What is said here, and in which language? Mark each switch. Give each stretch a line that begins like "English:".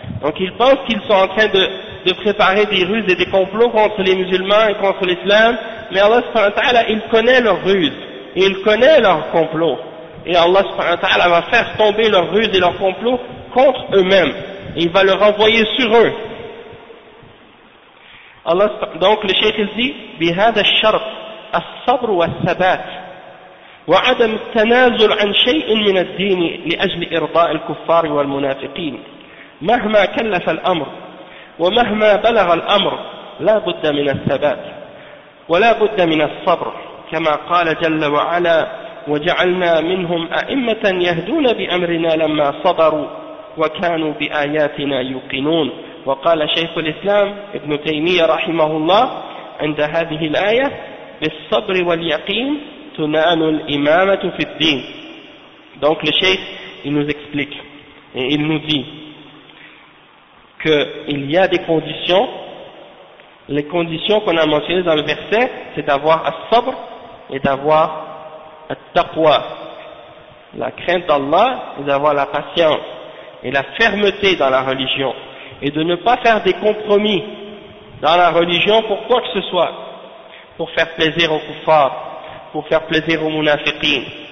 French: Donc ils pensent qu'ils sont en train de préparer des ruses et des complots contre les musulmans et contre l'islam, mais Allah subhanahu wa ta'ala, il connaît leurs ruses et il connaît leurs complots. Et Allah subhanahu wa ta'ala va faire tomber leurs ruses et leurs complots contre eux-mêmes. Et il va leur envoyer sur eux.
Arabic: Allah,
French: donc le cheikh dit,
Arabic: « بهذا الشرط الصبر والثبات وعدم التنازل عن شيء من الدين لأجل إرضاء الكفار والمنافقين مهما كلف الأمر ومهما بلغ الأمر لا بد من الثبات ولا بد من الصبر كما قال جل وعلا وجعلنا منهم أئمة يهدون بأمرنا لما صبروا وكانوا بآياتنا يوقنون. وقال شيخ الإسلام ابن تيمية رحمه الله عند هذه الآية بالصبر واليقين تنال الإمامة في الدين.
French: Donc le cheikh il nous explique, Et il nous dit qu'il y a des conditions, les conditions qu'on a mentionnées dans le verset, c'est d'avoir as-sabr et d'avoir at-taqwa, la crainte d'Allah et d'avoir la patience et la fermeté dans la religion, et de ne pas faire des compromis dans la religion pour quoi que ce soit, pour faire plaisir aux kuffars, pour faire plaisir aux munafiqin.